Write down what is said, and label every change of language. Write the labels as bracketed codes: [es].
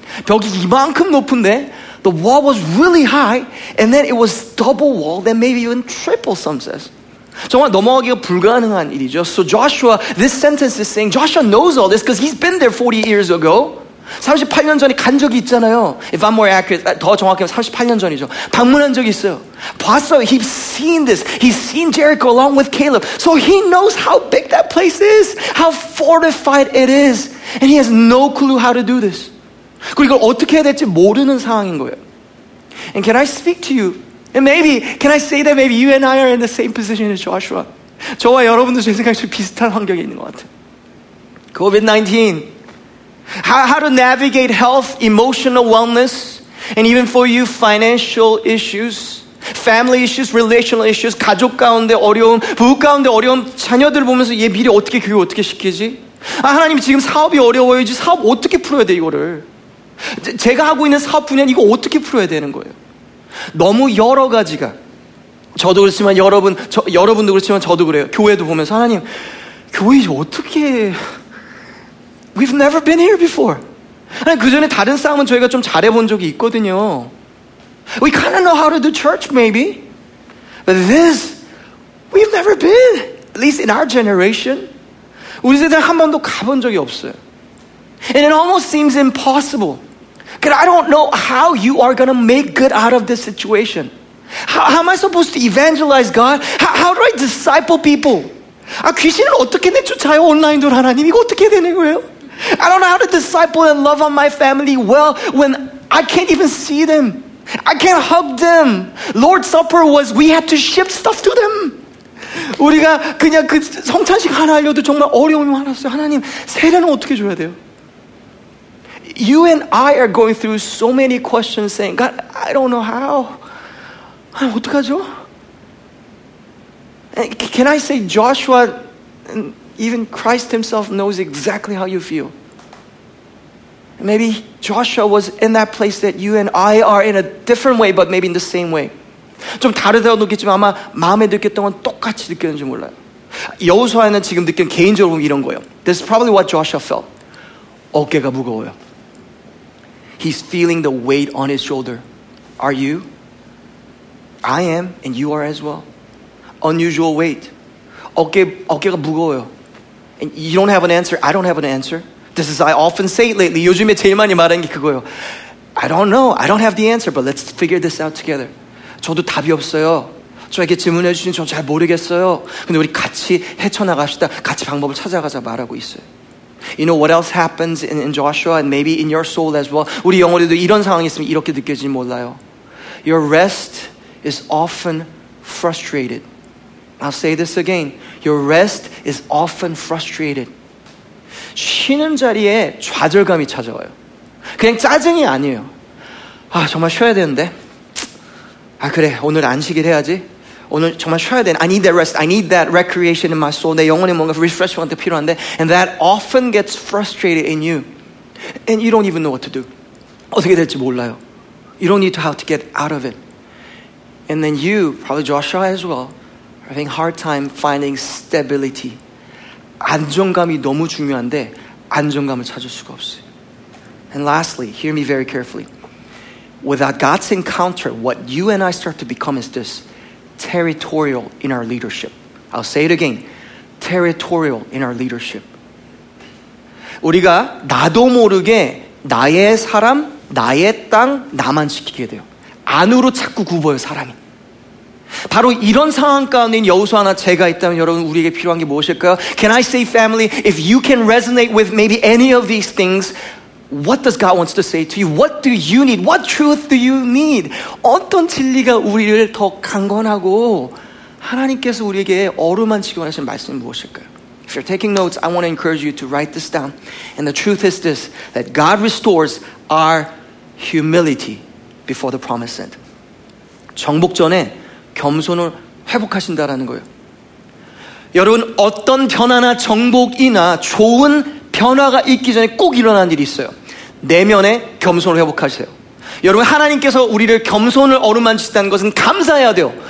[ko] 벽이 이만큼 높은데 [en] The wall was really high, and then it was double wall, then maybe even triple, some says. [ko] 정말 넘어가기가 불가능한 일이죠. [en] So Joshua, this sentence is saying, Joshua knows all this because he's been there 40 years ago. [ko] 38년 전에 간 적이 있잖아요. [en] If I'm more accurate, [ko] 더 정확히 하면 38년 전이죠. 방문한 적이 있어요. 봤어요. [en] He's seen this. He's seen Jericho along with Caleb. So he knows how big that place is, how fortified it is, and he has no clue how to do this. [ko] 그리고 이걸 어떻게 해야 될지 모르는 상황인 거예요. [en] And can I speak to you? And maybe, can I say that maybe you and I are in the same position as Joshua? [ko] 저와 여러분도 제 생각에 비슷한 환경에 있는 것 같아요. [en] COVID-19. How to navigate health, emotional wellness, and even for you, financial issues, family issues, relational issues, [ko] 가족 가운데 어려움, 부부 가운데 어려움, 자녀들 보면서 얘 미리 어떻게 교육 어떻게 시키지? 아, 하나님 지금 사업이 어려워요. 사업 어떻게 풀어야 돼, 이거를? 제가 하고 있는 사업 분야는 이거 어떻게 풀어야 되는 거예요? 너무 여러 가지가 저도 그렇지만 여러분 여러분도 그렇지만 저도 그래요. 교회도 보면서 하나님 교회 이제 어떻게 [en] We've never been here before. [ko] 아니 그 전에 다른 싸움은 저희가 좀 잘해본 적이 있거든요. [en] We kind of know how to do church maybe, but this we've never been at least in our generation. [ko] 우리 세대는 한 번도 가본 적이 없어요. [en] And it almost seems impossible. But I don't know how you are going to make good out of this situation. How am I supposed to evangelize God? How do I disciple people? [ko] 아, 귀신을 어떻게 내쫓아요? 온라인으로 하나님 이거 어떻게 되는 거예요? [en] I don't know how to disciple and love on my family well when I can't even see them. I can't hug them. Lord's Supper was, we had to ship stuff to them. [ko] 우리가 그냥 그 성찬식 하나 하려도 정말 어려움이 많았어요. 하나님 세례는 어떻게 줘야 돼요? [en] You and I are going through so many questions saying, God, I don't know how. [ko] 아니, 어떡하죠? [en] Can I say Joshua Even Christ himself knows exactly how you feel. Maybe Joshua was in that place that you and I are in a different way, but maybe in the same way. [ko] 좀 다르다고 느꼈지만 아마 마음에 느꼈던 건 똑같이 느꼈는지 몰라요. 여호수아는 지금 느낀 개인적으로 이런 거예요. [en] This is probably what Joshua felt. [ko] 어깨가 무거워요. [en] He's feeling the weight on his shoulder. Are you? I am, and you are as well. Unusual weight. [ko] 어깨가 무거워요. [en] And you don't have an answer. I don't have an answer. This is I often say it lately. [ko] 요즘에 제일 많이 말하는 게 그거예요. [en] I don't know. I don't have the answer, but let's figure this out together. [ko] 저도 답이 없어요. 저에게 질문해 주신 저 잘 모르겠어요. 근데 우리 같이 헤쳐나갑시다. 같이 방법을 찾아가자 말하고 있어요. [en] You know what else happens in Joshua and maybe in your soul as well? [ko] 우리 영혼에도 이런 상황이 있으면 이렇게 느껴지는지 몰라요. [en] Your rest is often frustrated. I'll say this again. Your rest is often frustrated. [ko] 쉬는 자리에 좌절감이 찾아와요. 그냥 짜증이 아니에요. 아, 정말 쉬어야 되는데. 아, 그래. 오늘 안식일 해야지. 오늘 정말 쉬어야 돼. I [en] need that rest. I need that recreation in my soul. [ko] 내 영혼에 뭔가 refreshment 필요한데. [en] And that often gets frustrated in you. And you don't even know what to do. [ko] 어떻게 될지 몰라요. [en] You don't need to how to get out of it. And then you, probably Joshua as well, are having a hard time finding stability. [ko] 안정감이 너무 중요한데 안정감을 찾을 수가 없어요. [en] And lastly, hear me very carefully. Without God's encounter, what you and I start to become is this territorial in our leadership. I'll say it again. Territorial in our leadership. [ko] 우리가 나도 모르게 나의 사람, 나의 땅, 나만 지키게 돼요. 안으로 자꾸 굽어요, 사람이. 바로 이런 상황 가운데 여호수아나 제가 있다면 여러분 우리에게 필요한 게 무엇일까요? [en] Can I say, family, if you can resonate with maybe any of these things, what does God wants to say to you? What do you need? What truth do you need? [ko] 어떤 진리가 우리를 더 강건하고 하나님께서 우리에게 어루만지게 하신 말씀 무엇일까요? [en] If you're taking notes, I want to encourage you to write this down. And the truth is this, that God restores our humility before the promised land. [ko] 정복전에 겸손을 회복하신다라는 거예요. 여러분, 어떤 변화나 정복이나 좋은 변화가 있기 전에 꼭 일어난 일이 있어요. 내면의 겸손을 회복하세요. 여러분, 하나님께서 우리를 겸손을 어루만지신다는 것은 감사해야 돼요.